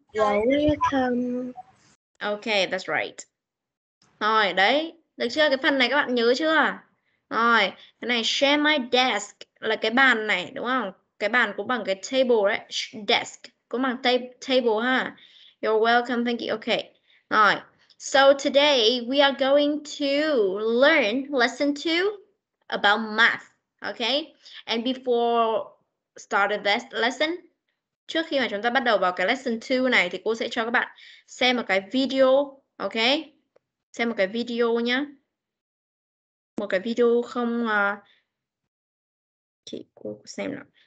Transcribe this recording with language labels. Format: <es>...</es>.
<en>You're welcome. Okay, that's right.</en> <vi>Rồi, đấy. Được chưa? Cái phần này các bạn nhớ chưa? Rồi, cái này share my desk là cái bàn này, đúng không? Cái bàn cũng bằng cái table đấy. Desk cũng bằng table ha.</vi> <en>You're welcome. Thank you. Okay.</en> <vi>Rồi.</vi> <en>So today we are going to learn lesson 2 about math, okay? And before started this lesson.</en> <vi>Trước khi mà chúng ta bắt đầu vào cái lesson 2 này thì cô sẽ cho các bạn xem một cái video, ok? Xem một cái video nhá. Một cái video không chị cô xem nào.</vi>